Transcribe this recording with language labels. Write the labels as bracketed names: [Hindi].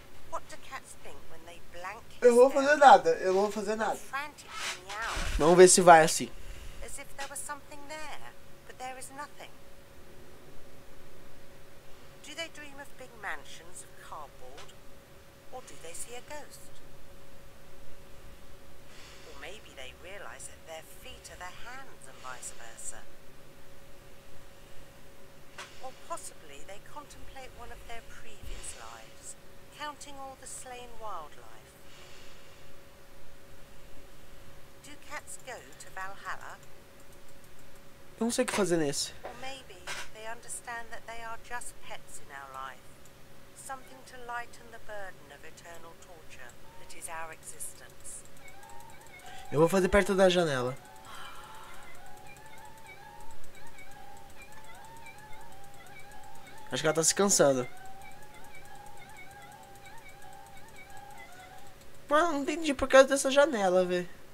[English] What do cats think when they blank? [Portuguese] Eu vou fazer nada, eu não vou fazer nada. Vamos ver se vai assim. [English] As if there was something there, but there is nothing. Do they dream of big mansions of cardboard? Or do they see a ghost? Or maybe they realize that their feet are their hands and vice versa. Or possibly they contemplate one of their previous lives, counting all the slain wildlife. Do cats go to Valhalla? [Portuguese] Eu não sei o que fazer nisso. [English] Or maybe they understand that they are just pets in our life. Something to lighten the burden of eternal torture that is our existence. [Portuguese] Eu vou fazer perto da janela. Acho que ela tá se cansando. Mano, não entendi por causa dessa janela, velho.